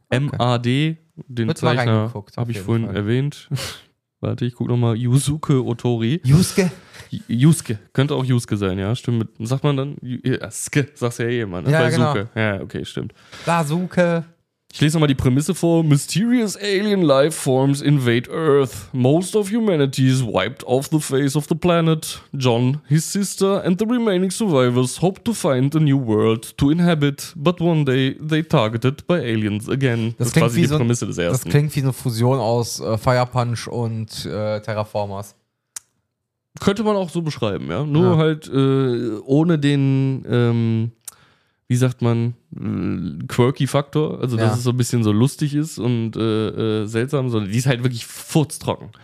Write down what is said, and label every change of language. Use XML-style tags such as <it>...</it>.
<de>M.A.D., den wird Zeichner, habe ich vorhin erwähnt. Warte, ich gucke nochmal. Yusuke Otori. Yusuke? Yusuke. Könnte auch Yusuke sein, ja. Stimmt. Sagt man dann? Ske, sagst du ja jemand. Ja, genau. Ja, okay, stimmt. Bazooka. Ich lese nochmal die Prämisse vor.</de> <en>Mysterious alien life forms invade Earth. Most of humanity is wiped off the face of the planet. John, his sister and the remaining survivors hope to find a new world to inhabit. But one day they targeted by aliens again.</en> <de>Das ist quasi die Prämisse des Ersten. Das klingt wie eine Fusion aus Fire Punch und Terraformers. Könnte man auch so beschreiben, ja. Nur halt ohne den... wie sagt man, quirky Faktor, also dass es so ein bisschen so lustig ist und seltsam, sondern die ist halt wirklich furztrocken.</de>